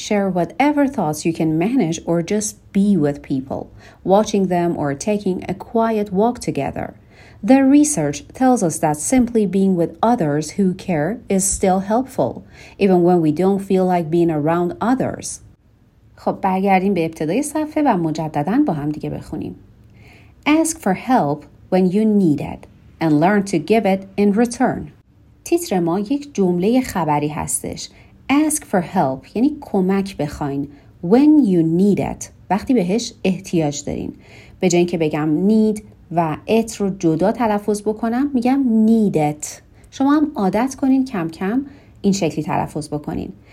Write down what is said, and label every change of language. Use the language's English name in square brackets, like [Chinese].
[English] Share whatever thoughts you can manage or just be with people, watching them or taking a quiet walk together. Their research tells us that simply being with others who care is still helpful, even when we don't feel like being around others. [Persian] خب برگردیم به ابتدای صفحه و مجدداً با هم دیگه بخونیم. [English] Ask for help when you need it and learn to give it in return. [Persian] تیتر ما یک جمله خبری هستش. [English] Ask for help [Persian] یعنی کمک بخواین. [English] When you need it [Persian] وقتی بهش احتیاج دارین. به جای اینکه بگم need و ات رو جدا تلفظ بکنم میگم [English] need it. [Persian] شما هم عادت کنین کم کم این شکلی تلفظ بکنین.